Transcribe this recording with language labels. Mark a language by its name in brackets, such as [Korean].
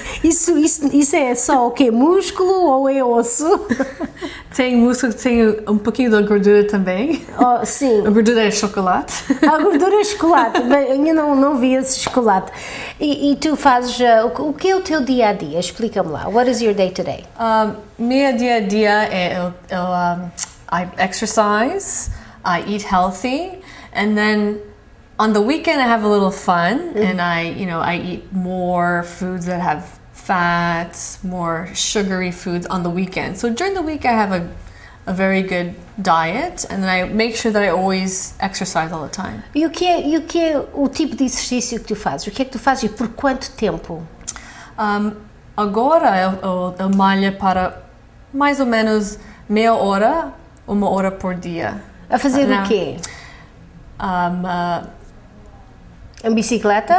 [Portuguese] Isso é só o quê? Músculo ou é osso? Tem músculo, tem um pouquinho da gordura também. Oh, A sim. gordura é chocolate. A gordura é chocolate, bem, eu não vi esse chocolate. E tu fazes, o que é o teu dia a dia? Explica-me lá. [English] What is your day to day? [Portuguese] Meu dia a dia é [English] I exercise, I eat healthy, and then on the weekend I have a little fun and I eat more foods that have fats, more sugary foods on the weekend. So during the week I have a very good diet and then I make sure that I always exercise all the time. [Portuguese] E o que é o tipo de exercício que tu fazes? O que é que tu fazes e por quanto tempo? Agora eu malho para mais ou menos meia hora, uma hora por dia. A fazer o quê? A bicicleta? Ou